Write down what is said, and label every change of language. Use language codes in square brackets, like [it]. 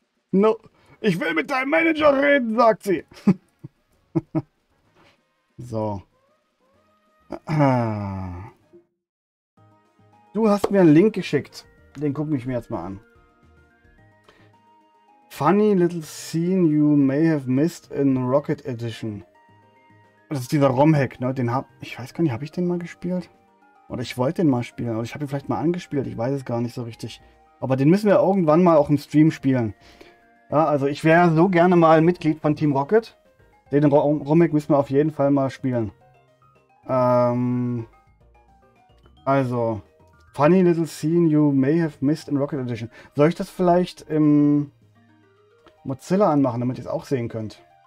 [en] No. [de] Ich will mit deinem Manager reden, sagt sie. So. Du hast mir einen Link geschickt. Den gucke ich mir jetzt mal an. [en] Funny little scene you may have missed in Rocket Edition. [de] Das ist dieser ROM-Hack, ne? Den hab. Ich weiß gar nicht, habe ich den mal gespielt? Oder ich wollte den mal spielen. Oder ich habe ihn vielleicht mal angespielt. Ich weiß es gar nicht so richtig. Aber den müssen wir irgendwann mal auch im Stream spielen. Ja, also ich wäre so gerne mal Mitglied von Team Rocket. Den Romek müssen wir auf jeden Fall mal spielen. [en] Also, funny little scene you may have missed in Rocket Edition. [de] Soll ich das vielleicht im Mozilla anmachen, damit ihr es auch sehen könnt?